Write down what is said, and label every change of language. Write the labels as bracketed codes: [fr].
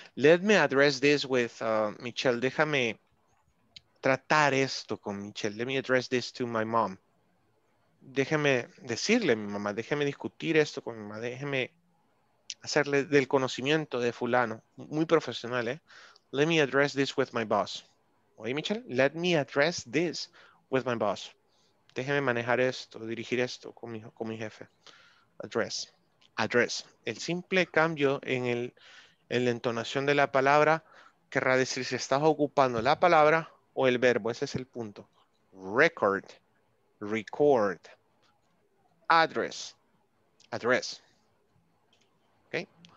[en] Let me address this with Michelle, [es] déjame tratar esto con Michelle. [en] Let me address this to my mom. [es] Déjeme decirle a mi mamá, déjeme discutir esto con mi mamá, déjeme hacerle del conocimiento de fulano, muy profesional, ¿eh? [en] Let me address this with my boss. Oye, Michelle, let me address this with my boss. [es] Déjeme manejar esto, dirigir esto con mi jefe. Address. Address. El simple cambio en la entonación de la palabra querrá decir si estás ocupando la palabra o el verbo. Ese es el punto. Record. Record. Address. Address. ¿Ok?